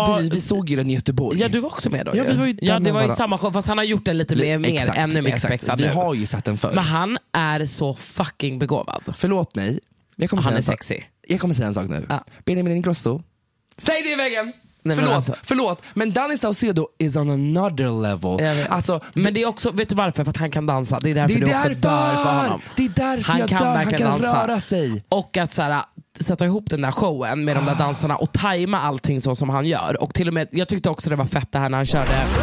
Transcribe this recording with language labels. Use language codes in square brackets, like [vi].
[sv] Vi såg ju den i Göteborg. Ja, du var också med då. Ja, det var ju samma show, fast han har gjort den lite mer, ännu mer spexad. Vi har ju sett den förr. Men han är så fucking begåvad. Förlåt mig. Han är sexy. Jag kommer säga en sak nu. Benjamin Ingrosso. Säg det i väggen! Nej, förlåt, alltså, förlåt. Men [en] Danny Saucedo is on another level. [sv] Alltså, men det är också, vet du varför? För att han kan dansa. Det är därför du också dör för honom. Det är därför han kan dör, verkligen han kan dansa. Röra sig. Och att så här, sätta ihop den där showen med de där dansarna och tajma allting så som han gör. Och till och med, jag tyckte också det var fett det här när han körde.